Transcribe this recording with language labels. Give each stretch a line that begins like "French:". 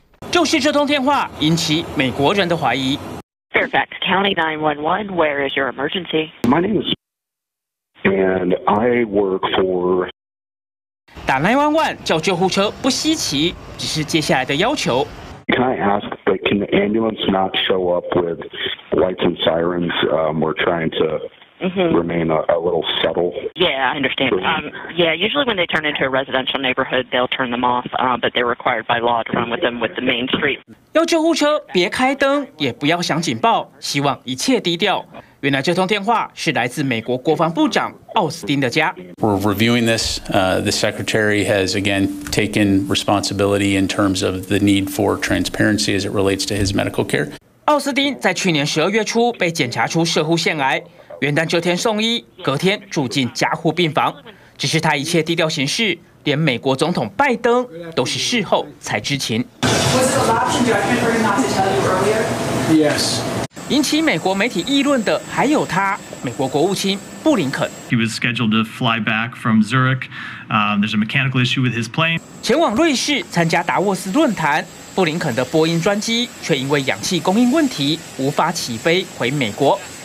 Chinese: 就是这通电话引起美国人的怀疑。
English: Fairfax County 911, where is your emergency? My name is and I work for
Chinese: 打911叫救护车不稀奇，只是接下来的要求。
English: Can I ask, but can the ambulance not show up with lights and sirens? We're trying to remain a little subtle. Yeah, I understand. Yeah, usually when they turn into a residential neighborhood, they'll turn them off, but they're required by law to run with them with the main street.
Chinese: 要救护车别开灯，也不要响警报，希望一切低调。原来这通电话是来自美国国防部长奥斯汀的家。
English: We're reviewing this. The secretary has again taken responsibility in terms of the need for transparency as it relates to his medical care.
Chinese: 奥斯汀在去年12月初被检查出射护腺癌。元旦这天送医，隔天住进加护病房。只是他一切低调行事，连美国总统拜登都是事后才知情。
English: Was it a lapse in judgment for him not to tell you earlier? Yes.
Chinese: 引起美国媒体议论的还有他，美国国务卿布林肯。
English: He was scheduled to fly back from Zurich. There's a mechanical issue with his plane.
Chinese: 前往瑞士参加达沃斯论坛，布林肯的波音专机却因为氧气供应问题无法起飞回美国。